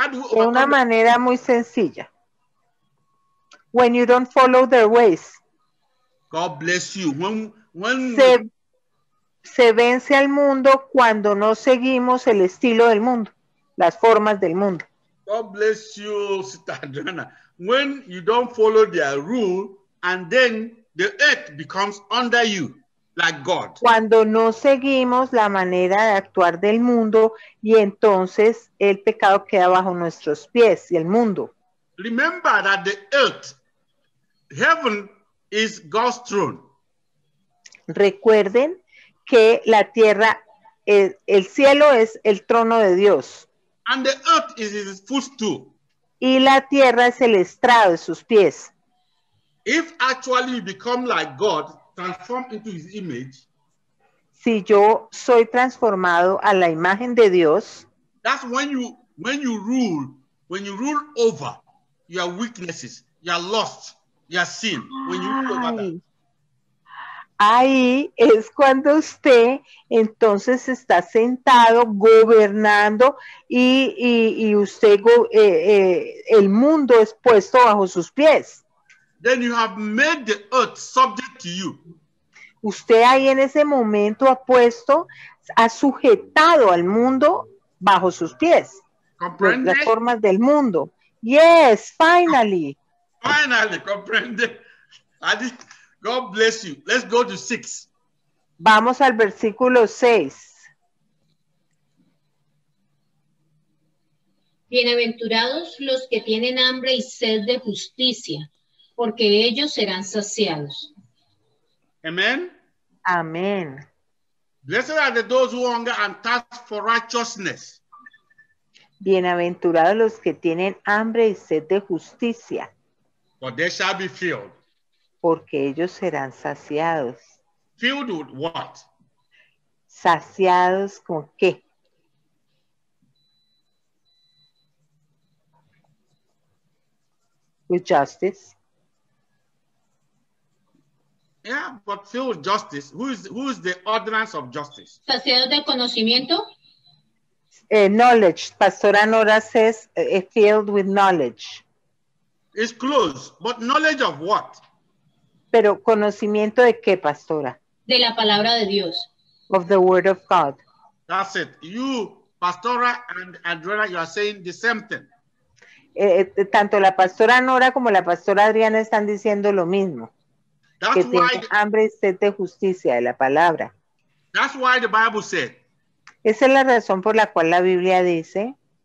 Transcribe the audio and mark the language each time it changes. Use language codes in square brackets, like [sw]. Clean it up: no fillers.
[es] De una manera muy sencilla. [en] When you don't follow their ways. God bless you. When [es] se vence al mundo cuando no seguimos el estilo del mundo, las formas del mundo. [en] God bless you, Sister Adriana. When you don't follow their rule and then the earth becomes under you. Like God. [es] Cuando no seguimos la manera de actuar del mundo y entonces el pecado queda bajo nuestros pies y el mundo. [en] Remember that the earth, heaven is God's throne. [es] Recuerden que la tierra, el cielo es el trono de Dios. [en] And the earth is his footstool. [es] Y la tierra es el estrado de sus pies. [en] If actually you become like God, transform into his image. [es] Si yo soy transformado a la imagen de Dios, [en] that's when you rule over your weaknesses, your lust, your sin. When you rule over that. [es] Ahí es cuando usted entonces está sentado gobernando y usted el mundo es puesto bajo sus pies. [en] Then you have made the earth subject to you. [es] Usted ahí en ese momento ha sujetado al mundo bajo sus pies. ¿Comprende? Las formas del mundo. [en] Yes, finally. Finally, comprende. God bless you. Let's go to 6. [es] Vamos al versículo 6. Bienaventurados los que tienen hambre y sed de justicia, porque ellos serán saciados. Amén. Amén. [en] Blessed are those who hunger and thirst for righteousness. [es] Bienaventurados los que tienen hambre y sed de justicia. [en] For they shall be filled. [es] Porque ellos serán saciados. [en] Filled with what? [es] Saciados con qué? [en] With justice. Yeah, but filled with justice. Who is the ordinance of justice? [es] Saciados del conocimiento. [en] Knowledge. Pastora Nora says filled with knowledge. It's close, but knowledge of what? [es] Pero conocimiento de qué, pastora? De la palabra de Dios. [en] Of the word of God. That's it. You, pastora and Adriana, you are saying the same thing. [es] Tanto la pastora Nora como la pastora Adriana están diciendo lo mismo. [en] That's [es] que [en] why [es] tiene hambre y sed de justicia de la palabra. [en] That's why the Bible said. [es] Esa es la razón por la cual la Biblia dice.